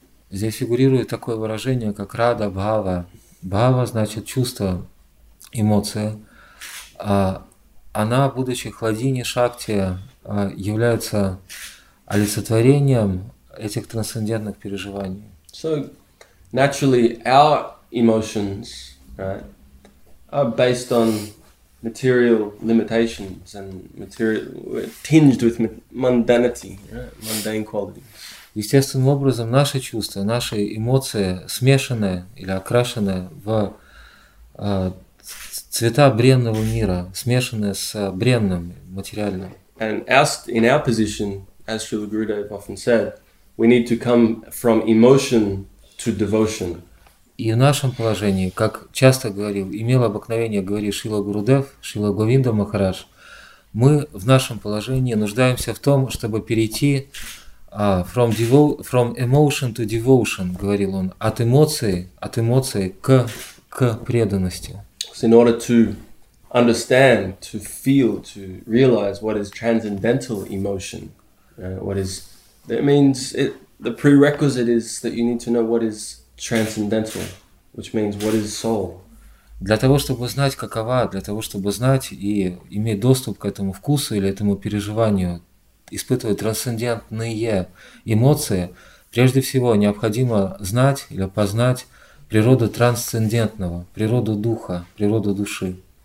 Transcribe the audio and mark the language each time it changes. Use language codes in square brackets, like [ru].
[ru] Здесь фигурирует такое выражение, как Radha Bhava. Bhava значит чувство, эмоция. Она, будучи Хладини Шакти, является олицетворением этих трансцендентных переживаний. [en] So naturally our emotions, right, are based on material limitations and tinged with mundanity, right, mundane qualities. [ru] Естественным образом наши чувства, наши эмоции смешаны или окрашены в цвета бренного мира, смешаны с бренным, материальным. [en] And in our position, as Srila Gurudev often said, we need to come from emotion to devotion. [ru] И в нашем положении, как часто говорил, имел обыкновение говорить Шрила Гурудев, Шрила Говинда Махарадж, мы в нашем положении нуждаемся в том, чтобы перейти [en] from emotion to devotion, [ru] говорил он, от эмоций к преданности. [en] So in order to understand, to feel, to realize what is transcendental emotion, what is that means it, the prerequisite is that you need to know what is transcendental, which means what is soul. [ru] Для того, чтобы знать, какова, для того, чтобы знать и иметь доступ к этому вкусу или этому переживанию, испытывать трансцендентные эмоции, прежде всего необходимо знать или познать природу трансцендентного, природу духа, природу души.